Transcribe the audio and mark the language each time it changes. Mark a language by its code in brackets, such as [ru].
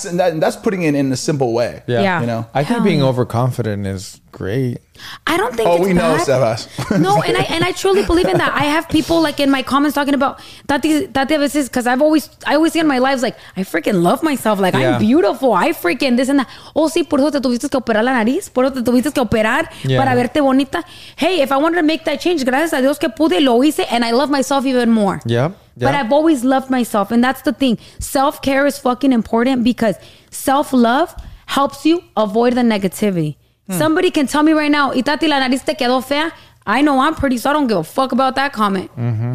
[en] That's putting it in a simple way. Yeah. You know, I think being overconfident is great. I don't think we know, Sebas. No, and I truly believe in that. I have people like in my comments talking about that this is, because I always see in my lives like I freaking love myself, like I'm beautiful, I freaking this and that. [es] Oh, sí, por eso te tuviste que operar la nariz, por eso te tuviste que operar para verte bonita. [en] Hey, if I wanted to make that change, [es] gracias a Dios que pude, lo hice, [en] and I love myself even more. Yeah. But I've always loved myself, and that's the thing. Self-care is fucking important, because self-love helps you avoid the negativity. Somebody can tell me right now, itati, [es] la nariz te quedó fea. [en] I know I'm pretty, so I don't give a fuck about that comment. Mm-hmm.